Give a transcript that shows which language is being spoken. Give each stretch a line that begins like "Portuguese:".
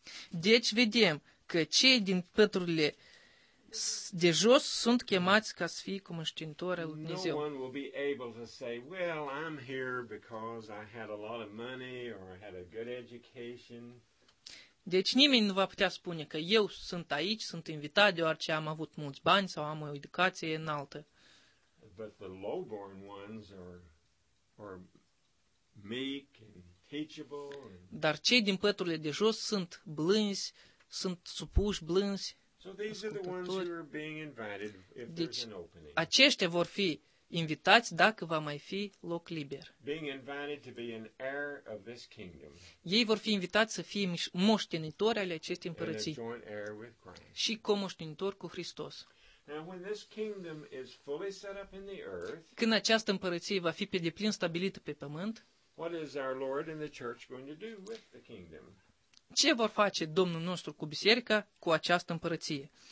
Romanian: Deci vedem că cei din păturile de jos sunt chemați ca să fie cumăștintori al lui Dumnezeu.
English: No one will be able to say, well, I'm here because I had a lot of money or I had a good education.
Romanian: Deci nimeni nu va putea spune că eu sunt aici, sunt invitat, deoarece am avut mulți bani sau am o educație înaltă.
English: But the low-born ones are meek and teachable.
Romanian: Dar cei din păturile de jos sunt blânzi, sunt supuși, blânzi, ascultători. Deci aceștia vor fi invitați dacă va mai fi loc liber.
English: Being invited to be an heir of this kingdom.
Romanian: Ei vor fi invitați să fie moștenitori ale acestei împărății și comoștenitori cu Hristos.
English: Now, when this kingdom is fully set up in the earth,
Romanian: când această împărăție va fi pe deplin stabilită pe pământ,
English: what is our Lord and the church going to do with the kingdom?
Romanian: Ce vor face Domnul nostru cu biserica, cu această împărăție?